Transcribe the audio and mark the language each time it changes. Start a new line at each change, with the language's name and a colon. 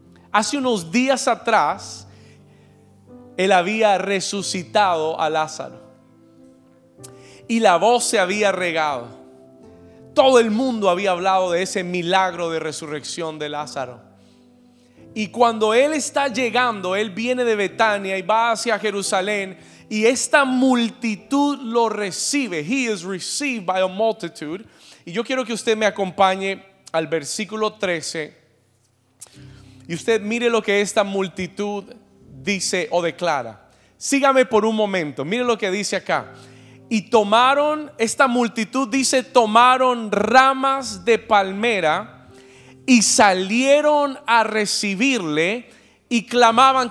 Spanish: Hace unos días atrás Él había resucitado a Lázaro y la voz se había regado. Todo el mundo había hablado de ese milagro de resurrección de Lázaro. Y cuando Él está llegando, Él viene de Betania y va hacia Jerusalén, y esta multitud lo recibe.
English: He is received by a multitude.
Spanish: Y yo quiero que usted me acompañe al versículo 13 y usted mire lo que esta multitud dice o declara. Sígame por un momento, mire lo que dice acá. Y tomaron, esta multitud dice, tomaron ramas de palmera y salieron a recibirle y clamaban.